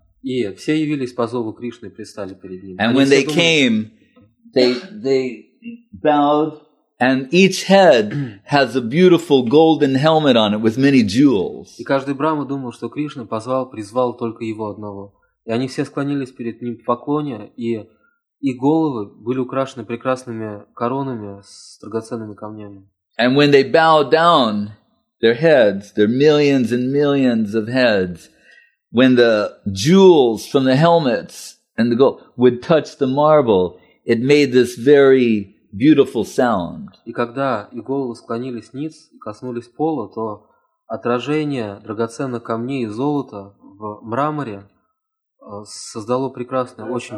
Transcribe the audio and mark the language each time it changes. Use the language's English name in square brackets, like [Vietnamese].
[Russian] И все явились по зову Кришны, пристали перед ним. [English] And when they came, they bowed. And each head has a beautiful golden helmet on it with many jewels. [Russian] И каждый брама думал, что Кришна позвал, призвал только его одного. И они все склонились перед ним в поклоне, и их головы были украшены прекрасными коронами с драгоценными камнями. [English] And when they bowed down their heads, their millions and millions of heads, when the jewels from the helmets and the gold would touch the marble, it made this very beautiful sound. [Russian] И когда их головы склонились ниц и коснулись пола, то отражение драгоценных камней и золота в мраморе создало прекрасное, очень